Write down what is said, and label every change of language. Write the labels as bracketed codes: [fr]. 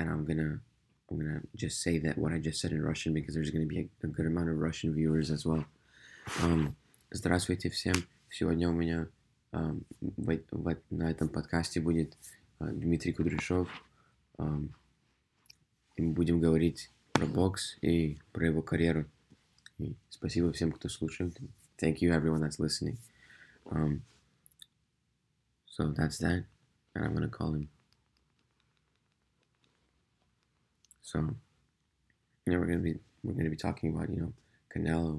[en] I'm gonna just say that what I just said in Russian, because there's going to be a good amount of Russian viewers as well. [ru] Здравствуйте всем. Сегодня у меня на этом подкасте будет Дмитрий Кудряшов. Мы будем говорить про бокс и про его карьеру. И спасибо всем, кто слушал. [en] Thank you, everyone that's listening. So that's that, and I'm gonna call him. So, you know, we're gonna be talking about, you know, Canelo.